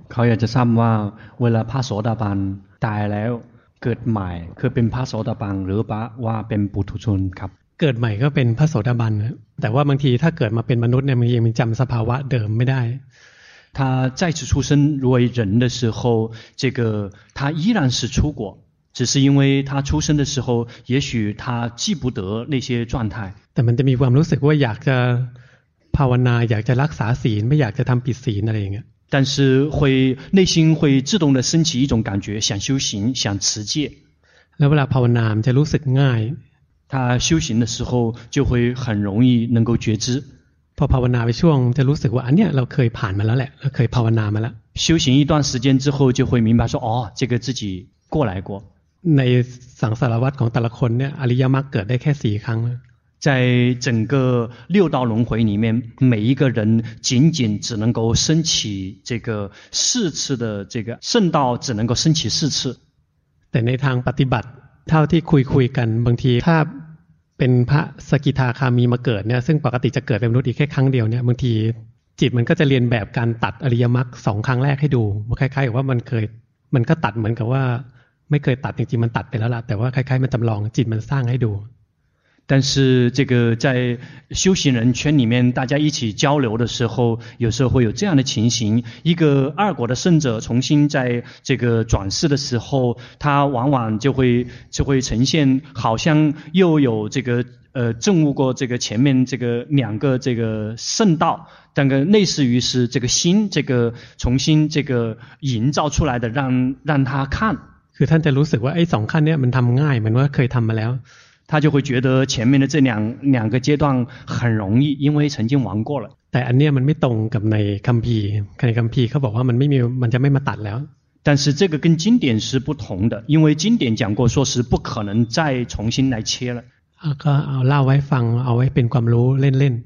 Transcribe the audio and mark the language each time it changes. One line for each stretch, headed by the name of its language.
Thai: เขาอยากจะทราบว่าเวลาพระโสดาบันตายแล้วเกิดใหม่คือเป็นพระโสดาบันหรือปะว่าเป็นปุถุชนครับ เกิดใหม่ก็เป็นพระโสดาบันแต่ว่าบางทีถ้าเกิดมาเป็นมนุษย์เนี่ยมันยังจำสภาวะเดิมไม่ได้
Chinese: 他再次出生为人的时候这个他依然是出果只是因为他出生的时候也许他记不得那些状态
Thai: แต่มันจะมีความรู้สึกว่าอยากจะภาวนาอยากจะรักษาศีลไม่อยากจะทำผิดศีลอะไรอย่างเงี้ย
Chinese: 但是会内心会自动的升起一种感觉想修行想持戒
Thai: แล้วเวลาภาวนาจะรู้สึกง่าย
Chinese: 他修行的时候就会很容易能够觉知
Thai: พอภาวนาไปช่วงจะรู้สึกว่าอันเนี้ยเราเคยผ่านมาแล้วแหละเราเคยภาวนามาแล้ว
Chinese: 修行一段时间之后就会明白说哦这个自己过来过
Thai: ในสังสารวัฏของแต่ละคนเนี่ยอริยมรรคเกิดได้แค่สี่ครั้ง
Chinese: ใน整个六道轮回里面每一个人仅仅只能够升起这个四次的这个圣道只能够升起四次
Thai: แต่ในทางปฏิบัติเท่าที่คุยกันบางทีถ้าเป็นพระสกิทาคามีมาเกิดเนี่ยซึ่งปกติจะเกิดเป็นมนุษย์อีกแค่ครั้งเดียวเนี่ยบางทีจิตมันก็จะเรียนแบบการตัดอริยมรรคสองครั้งแรกให้ดูคล้ายๆกับว่ามันก็ตัดเหมือนกับว่าไม่เคยตัดจริงๆมันตัดไปแล้วล่ะแต่ว่าคล้ายๆมันจำลองจิตมันสร้างให้ดู
Chinese: 但是这个在修行人圈里面大家一起交流的时候有时候会有这样的情形一个二果的圣者重新在这个转世的时候他往往就会呈现好像又有这个证悟过这个前面这个两个这个圣道但是类似于是这个心这个重新这个营造出来的让他看
Thai: คือท่านจะรู้สึกว่าไอ้สองขั้นเนี่ยมันทำง่ายเหมือนว่าเคยทำมาแล้ว
Chinese: 他就会觉得前面的这两个阶段很容易因为曾经玩过了
Thai: แต่อันเนี้ยมันไม่ตรงกับในคัมภีร์ในคัมภีร์เขาบอกว่ามันจะไม่มาตัดแล้ว
Chinese: 但是这个跟经典是不同的因为经典讲过说是不可能再重新来切了
Thai: ก็เอาเล่าไว้ฟังเอาไว้เป็นความรู้เล่น